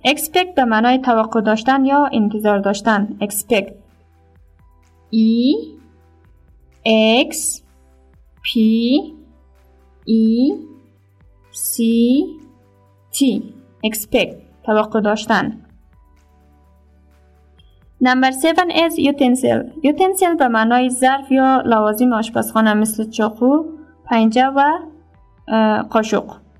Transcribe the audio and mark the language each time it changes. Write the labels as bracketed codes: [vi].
[fa] Expect به معنای توقع داشتن یا انتظار داشتن. [en] Expect. [fa] EXPECT expect توقع داشتن. [en] Number 7 is utensil. [fa] Utensil به معنای ظرف یا لوازم آشپزخانه مثل چاقو، پنجه و قاشق.